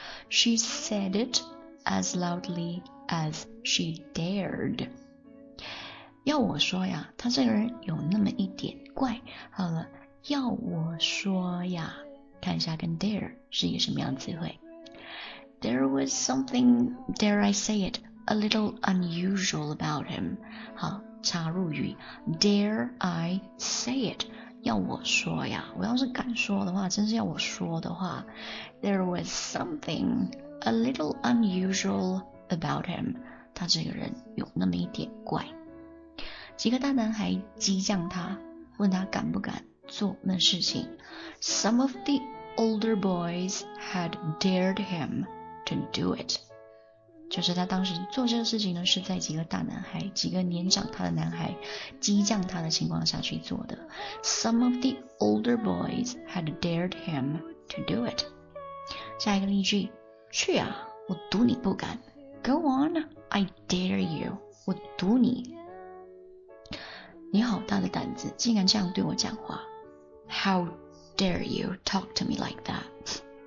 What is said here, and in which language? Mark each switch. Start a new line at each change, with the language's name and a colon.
English: She said it as loudly as she dared.
Chinese: 要我说呀，她这个人有那么一点怪。好了，要我说呀，看一下跟 dare 是一个什么样的词汇。
English: There was something, dare I say it, a little unusual about him.
Chinese: 好，插入语 ，
English: dare I say it?
Chinese: 要我说呀，我要是敢说的话，真是要我说的话。
English: There was something a little unusual about him.
Chinese: 他这个人有那么一点怪。几个大男孩激将他，问他敢不敢做那事情。
English: Some of the older boys had dared him to do it.
Chinese: 就是他当时做这个事情呢，是在几个大男孩、几个年长他的男孩激将他的情况下去做的。
English: Some of the older boys had dared him to do it.
Chinese: 下一个例句，去啊，我赌你不敢。
English: Go on, I dare you.
Chinese: 我赌你。你好大的胆子，竟然这样对我讲话。
English: How dare you talk to me like that?